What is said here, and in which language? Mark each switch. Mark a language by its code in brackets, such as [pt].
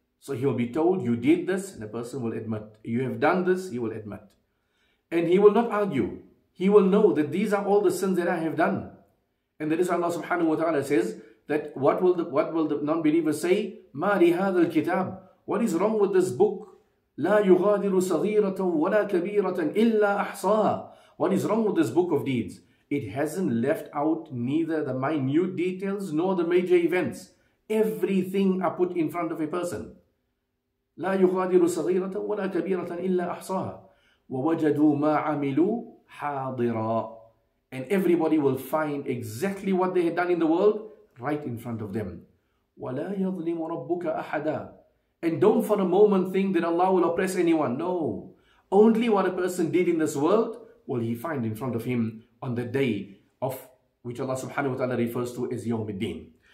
[en] So he will be told, you did this, and the person will admit. You have done this, he will admit. And he will not argue. He will know that these are all the sins that I have done. And that is why Allah subhanahu wa ta'ala says that what will the non-believer say? [ar] مَا لِهَذَا الْكِتَابِ. [en] What is wrong with this book? [ar] لا يغادر صغيرة ولا كبيرة إلا أحصاها. [en] What is wrong with this book of deeds? It hasn't left out neither the minute details nor the major events. Everything are put in front of a person. [ar] لا يغادر صغيرة ولا كبيرة إلا أحصاها. ووجدوا ما عملوا حاضرا. [en] And everybody will find exactly what they had done in the world right in front of them. [ar] ولا يظلم ربك أحدا. [en] And don't for a moment think that Allah will oppress anyone. No. Only what a person did in this world will he find in front of him on the day of which Allah subhanahu wa ta'ala refers to as Yawmiddin.